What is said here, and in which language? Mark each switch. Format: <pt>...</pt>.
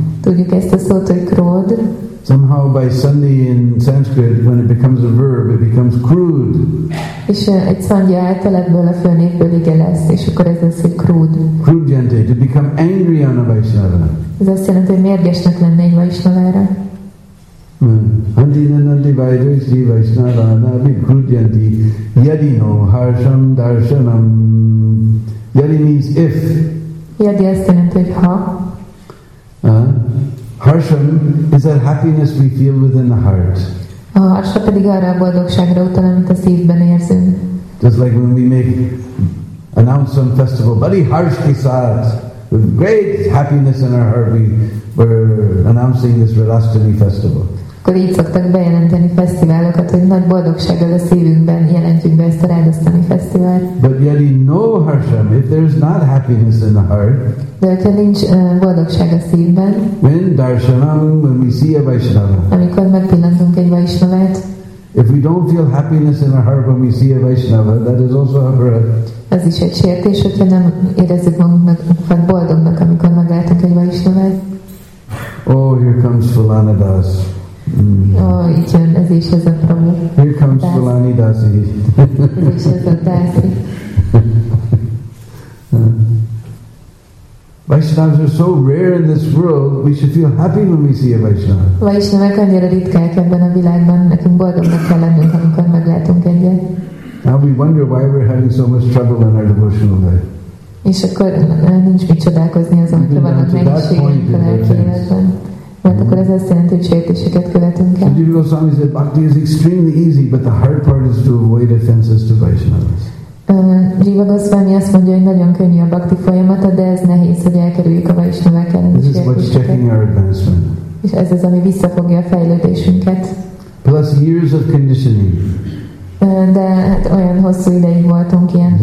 <hu>Tudjuk ezt a szót, hogy krod.</hu> <en>Somehow by sandhi in Sanskrit, when it becomes a verb, it becomes crude.</en> <hu>És egy szandja által ebből a főnépből ige lesz, és akkor ez lesz egy krúd.</hu> <en>Krúdjente, to become angry on a Vaishnava.</en> <hu>Ez azt jelenti, hogy mérgesnek lenne egy Vaishnavára.</hu> <sa>Hanti nanandi vaidvaisti vaisnava anabhi krúdjente yadino harsham darshanam.</sa> <en>Yadi means if.</en> <hu>Yadi azt jelenti, hogy ha.</hu> <en>Harsham is that happiness we feel within the heart.</en> <hu>A harsha pedig arra a boldogságra utal, amit a szívben érzünk.</hu> <en>Just like when we make announce some festival, very harsh kisad, with great happiness in our heart, we're announcing this Radhashtami festival.</en> <hu>Akkor így szoktak bejelenteni fesztiválokat, hogy nagy boldogsággal a szívünkben jelentjük be ezt a rádasztani fesztivált.</hu> <en>But yet in no harsham, if there's not happiness in the heart,</en> <hu>de hogyha nincs boldogság a szívben,</hu> <en>when darshanam, when we see a Vaishnava,</en> <hu>amikor megpillantunk egy Vaishnavát,</hu> <en>if we don't feel happiness in our heart when we see a Vaishnava, that is also a breath.</en> <hu>Ez is egy sértés, hogyha nem érezzük magunkat boldognak, amikor meglátunk egy Vaishnavát.</hu> <en>Oh, here comes Fulana Das. Mm.</en> <hu>Oh, itt jön, ez is ez a Prabhu.</hu> <en>Here comes Fulani Dasi.</en> <hu>Ez is ez a Dasi.</hu> <en>Vaishnavas are so rare in this world, we should feel happy when we see a Vaishnava.</en> <hu>Vaishnavák annyira ritkák ebben a világban, nekünk boldognak kell lennünk, amikor meglátunk egyet.</hu> <en>Now we wonder why we're having so much trouble in our devotional life.</en> <hu>És akkor nincs mit csodálkozni azon, hogy vannak nehézségek a lelki életben. Mert akkor ez azt jelenti, hogy sértéseket követünk el.</hu> <en>Jiva Goswami said, bhakti is extremely easy, but the hard part is to avoid offenses to Vaishnavas.</en> <hu>Jiva Goswami azt mondja, hogy nagyon könnyű a bhakti folyamata, de ez nehéz, hogy elkerüljük a Vaishnavák elleni sértéseket.</hu> <en>This is what's checking our advancement.</en> <hu>És ez az, ami visszafogja a fejlődésünket.</hu> <en>Plus years of conditioning.</en> <hu>De hát olyan hosszú ideig voltunk ilyen</hu>